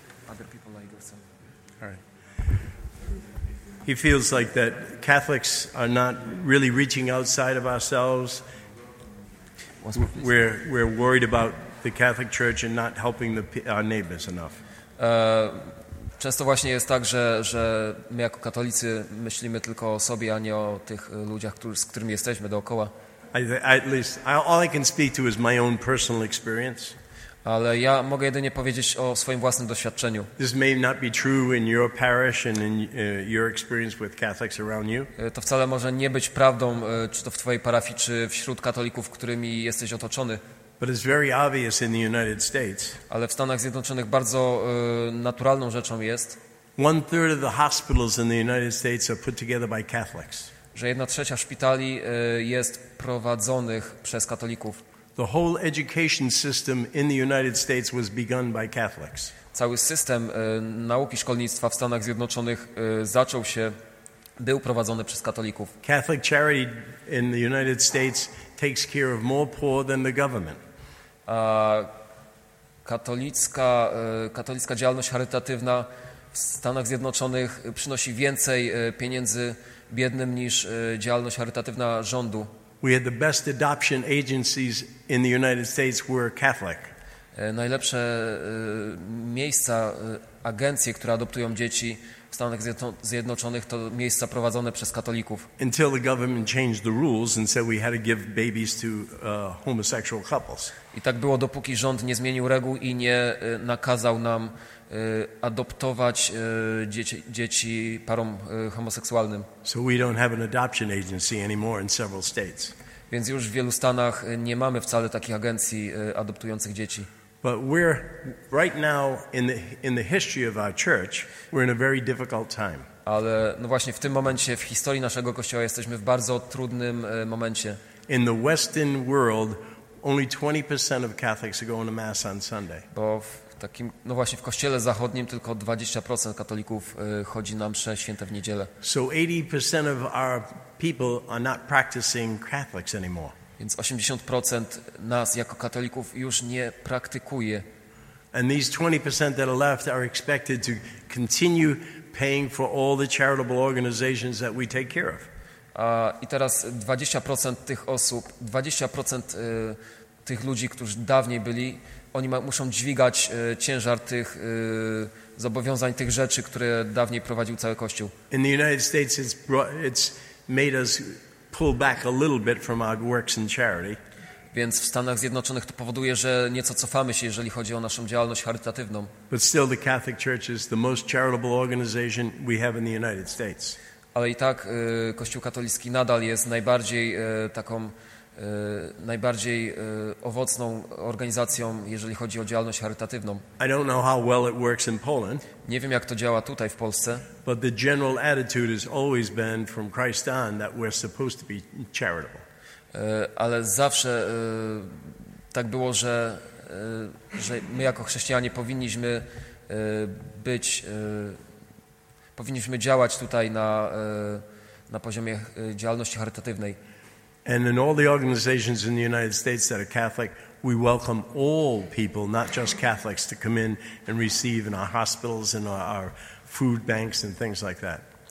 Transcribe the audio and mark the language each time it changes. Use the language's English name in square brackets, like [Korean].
[English] Other people like yourself. Alright. He feels like that Catholics are not really reaching outside of ourselves. We're worried about the Catholic Church and not helping our neighbors enough. [Polish] Często właśnie jest tak, że my jako katolicy myślimy tylko o sobie, a nie o tych ludziach, z którymi jesteśmy dookoła. [English] All I can speak to is my own personal experience. [Polish] Ale ja mogę jedynie powiedzieć o swoim własnym doświadczeniu. [English] This may not be true in your parish and in your experience with Catholics around you. [Polish] To wcale może nie być prawdą, czy to w twojej parafii, czy wśród katolików, którymi jesteś otoczony. [English] But it's very obvious in the United States. [Polish] Ale w Stanach Zjednoczonych bardzo naturalną rzeczą jest. [English] 1/3 of the hospitals in the United States are put together by Catholics. [Polish] Że 1/3 szpitali jest prowadzonych przez katolików. [English] The whole education system in the United States was begun by Catholics. [Polish] Cały system nauki szkolnictwa w Stanach Zjednoczonych zaczął się, był prowadzony przez katolików. [English] Catholic charity in the United States takes care of more poor than the government. [Polish] Katolicka działalność charytatywna w Stanach Zjednoczonych przynosi więcej pieniędzy biednym niż działalność charytatywna rządu. [English] We had the best adoption agencies in the United States were Catholic. [Polish] Najlepsze miejsca, agencje, które adoptują dzieci w Stanach Zjednoczonych, to miejsca prowadzone przez katolików. [English] Until the government changed the rules and said we had to give babies to homosexual couples. [Polish] I tak było, dopóki rząd nie zmienił reguł i nie nakazał nam adoptować dzieci parom homoseksualnym. [English] So we don't have an adoption agency anymore in several states. [Polish] Więc już w wielu stanach nie mamy wcale takich agencji adoptujących dzieci. [English] But we're right now in the history of our church, we're in a very difficult time. [Polish] Ale no właśnie w tym momencie w historii naszego kościoła jesteśmy w bardzo trudnym momencie. [English] In the Western world, only 20% of Catholics are going to mass on Sunday. [Polish] Bo w takim, no właśnie w kościele zachodnim tylko 20% katolików chodzi na msze święte w niedzielę. [English] So 80% of our people are not practicing Catholics anymore. [Polish] Więc 80% nas jako katolików już nie praktykuje. [English] And these 20% that are left are expected to continue paying for all the charitable organizations that we take care of. [Polish] I teraz 20% tych osób, 20% tych ludzi, którzy dawniej byli, oni muszą dźwigać ciężar tych zobowiązań, tych rzeczy, które dawniej prowadził cały kościół. [English] In the United States it's made us pull back a little bit from our works in charity. [Polish] Więc w Stanach Zjednoczonych to powoduje, że nieco cofamy się, jeżeli chodzi o naszą działalność charytatywną. [English] But still the Catholic Church is the most charitable organization we have in the United States. [Polish] Ale i tak Kościół katolicki nadal jest najbardziej taką najbardziej owocną organizacją, jeżeli chodzi o działalność charytatywną. [English] I don't know how well it works in Poland. [Polish] Nie wiem, jak to działa tutaj w Polsce. [English] But the general attitude has always been from Christ on that we're supposed to be charitable. [Polish] Ale zawsze tak było, że my jako chrześcijanie powinniśmy działać tutaj na poziomie działalności charytatywnej. [English] And in all the organizations in the United States that are Catholic, we welcome all people, not just Catholics, to come in and receive in our hospitals and our food banks and things like that.